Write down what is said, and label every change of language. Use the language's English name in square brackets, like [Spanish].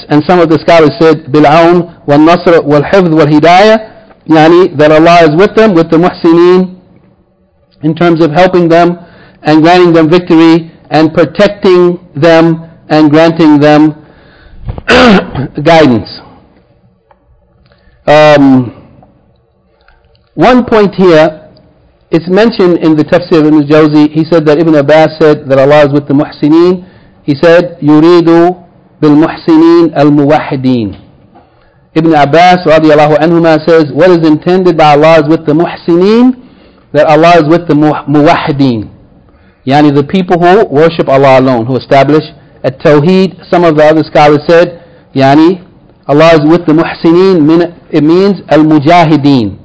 [English] And some of the scholars said, [Arabic] بِالْعَوْنِ وَالنَّصْرَ وَالْحِفْظِ وَالْهِدَايَةِ, [English] yani that Allah is with them, with the muhsineen, in terms of helping them, and granting them victory, and protecting them, and granting them guidance. One point here, it's mentioned in the tafsir of Ibn al-Jawzi, he said that Ibn Abbas said that Allah is with the muhsineen. He said, [Arabic] يُرِيدُ بِالْمُحْسِنِينَ الْمُوَحِدِينَ. [English] Ibn Abbas radiallahu anhuma says, what is intended by Allah is with the muhsineen? That Allah is with the muwahideen, yani the people who worship Allah alone, who establish at Tawheed. Some of the other scholars said, yani, Allah is with the muhsineen, it means al-mujahideen.